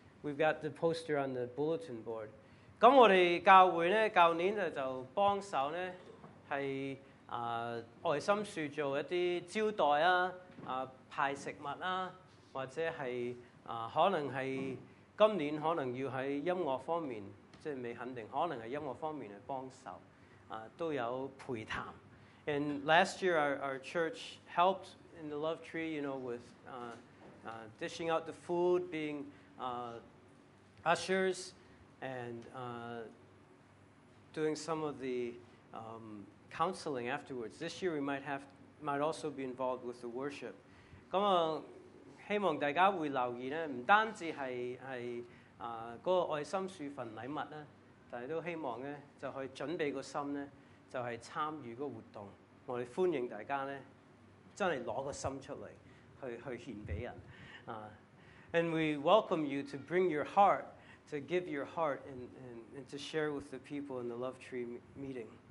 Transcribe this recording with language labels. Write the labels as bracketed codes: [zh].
[en] We've got the poster on the bulletin board. [yue] 咁我哋教会咧，旧年就帮手咧系爱心树做一啲招待啊，派食物啊，或者系可能系今年可能要喺音乐方面，即系未肯定，可能系音乐方面嚟帮手都有陪谈。 [en] And last year, our church helped in the Love Tree, you know, with dishing out the food, being ushers, and doing some of the counseling afterwards. This year, we might also be involved with the worship. [yue] 咁啊，希望大家會留意咧，唔單止係嗰個愛心樹份禮物咧，但係都希望咧就去準備個心咧，就係參與個活動。我哋歡迎大家咧，真係攞個心出嚟去獻俾人啊！ [en] And we welcome you to bring your heart, to give your heart, and to share with the people in the Love Tree meeting.